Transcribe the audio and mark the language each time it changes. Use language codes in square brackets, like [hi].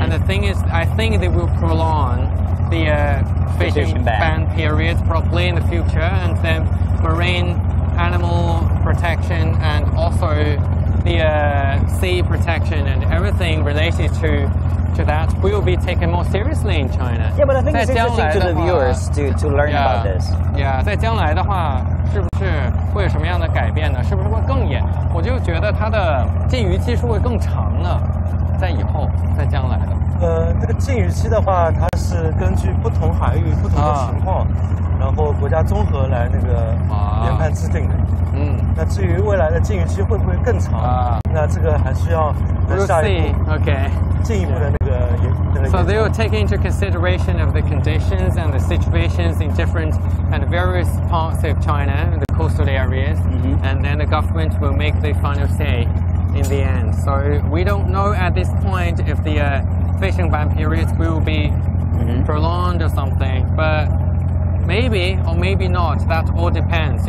[en] And the thing is, I think they will prolong the fishing ban period probably in the future, and then marine animal protection and also the sea protection and everything related to that will be taken more seriously in China. Yeah, but I think it's interesting to the viewers to learn about this. [zh] Yeah, 在将来的话，是不是会有什么样的改变呢？是不是会更严？我就觉得它的禁渔期是会更长呢，在以后，在将来的。这个禁渔期的话，它是根据不同海域不同的情况，然后国家综合来那个研判制定的。那至于未来的禁渔期会不会更长，那这个还需要下一步。 [en] Okay. So they will take into consideration of the conditions and the situations in different and various parts of China, the coastal areas, and then the government will make the final say in the end. So we don't know at this point if the fishing ban period will be prolonged or something, but maybe or maybe not, that all depends.